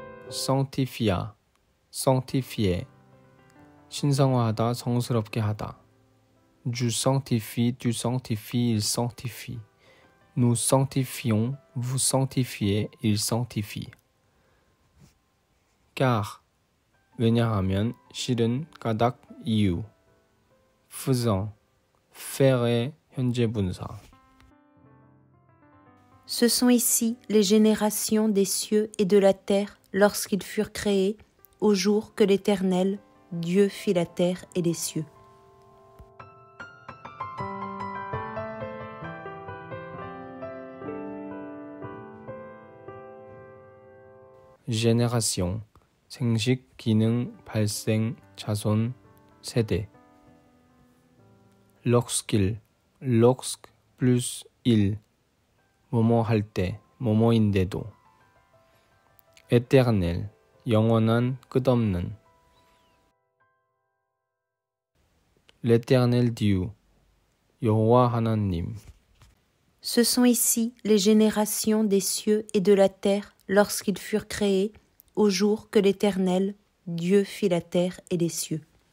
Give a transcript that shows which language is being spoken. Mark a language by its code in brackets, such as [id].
[ko] Sanctifia, sanctifier, 신성화하다, 성스럽게 하다. [fr] Je sanctifie, tu sanctifies, il sanctifie. Nous sanctifions, vous sanctifiez, il sanctifie. [ko] Car, 왜냐하면, 실은, 까닥, 이유. Faisant, faire, 현재 분사. [fr] Ce sont ici les générations des cieux et de la terre lorsqu'ils furent créés, au jour que l'Éternel, Dieu, fit la terre et les cieux. [ko] Génération, 생식, 기능, 발생, 자손, 세대. Lorsqu'il, lorsque plus il, 뭐뭐 할 때, 뭐뭐인데도. Éternel, 영원한, 끝없는. L'éternel Dieu, 여호와 하나님. [fr] Ce sont ici les générations des cieux et de la terre lorsqu'ils furent créés, au jour que l'Éternel, Dieu, fit la terre et les cieux.